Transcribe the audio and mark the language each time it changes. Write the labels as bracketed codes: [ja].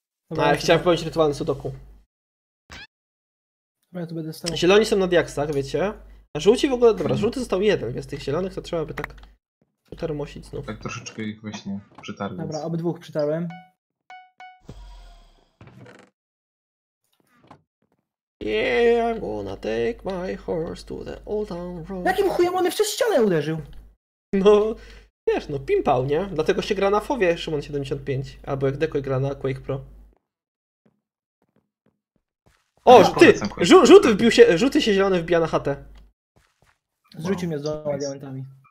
[pl] Dobra, ale chciałem popełnić rytualny sudoku. Dobra, ja tu będę stał. Zieloni są na diaksach, wiecie. A żółci w ogóle... Dobra, żółty został jeden, więc tych zielonych to trzeba by tak... ...utermosić znów. Tak troszeczkę ich właśnie przytarłem. Dobra, obydwóch przytarłem. [en] Yeah, I'm gonna take my horse to the old town road. [pl] Jakim chujem on w ścianę uderzył? No... Wiesz, no pimpał, nie? Dlatego się gra na fowie Szymon 75. Albo jak Deko gra na Quake Pro. O, no, ty! Żółty się zielony wbija na chatę. Zrzucił mnie z dwoma diamentami.